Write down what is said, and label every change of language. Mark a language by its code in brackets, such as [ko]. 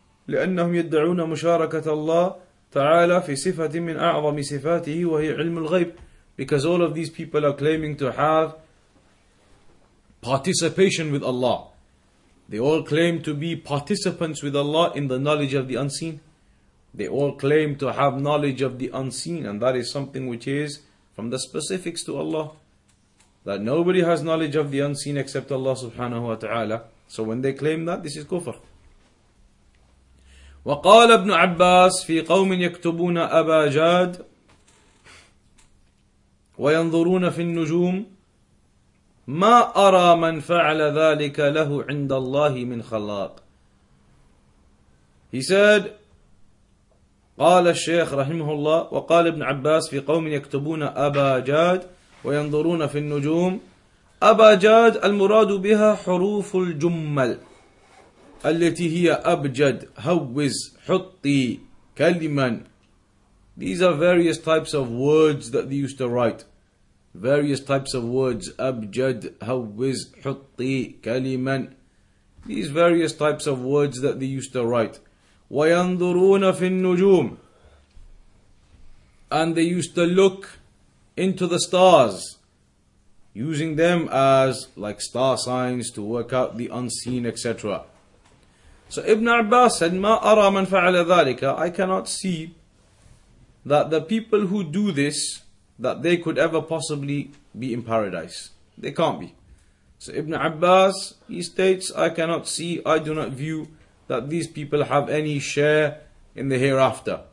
[ar] لأنهم يدعون مشاركة الله تعالى في صفة من أعظم صفاته وهي علم الغيب. [en] Because all of these people are claiming to have participation with Allah. They all claim to be participants with Allah in the knowledge of the unseen. They all claim to have knowledge of the unseen, and that is something which is from the specifics to Allah. That nobody has knowledge of the unseen except Allah subhanahu wa ta'ala. So when they claim that, this is kufr. [ar] وقال ابن عباس في قوم يكتبون أبا جاد وينظرون في النجوم ما أرى من فعل ذلك له عند الله من خلاق. [en] He said, [ar] قال الشيخ رحمه الله وقال ابن عباس في قوم يكتبون أبا جاد وينظرون في النجوم أبا جاد المراد بها حروف الجمل التي هي أبجد هوز حطي كلما. [en] These are various types of words that they used to write. Various types of words. [ar] أبجد هوز حطي كلما. [en] These various types of words that they used to write. [ar] وينظرون في النجوم. [en] And they used to look into the stars, using them as like star signs to work out the unseen, etc. So Ibn Abbas said, [ar] ما أرى من فعل ذلك. [en] I cannot see that the people who do this, that they could ever possibly be in paradise. They can't be. So Ibn Abbas, he states, I cannot see, I do not view that these people have any share in the hereafter.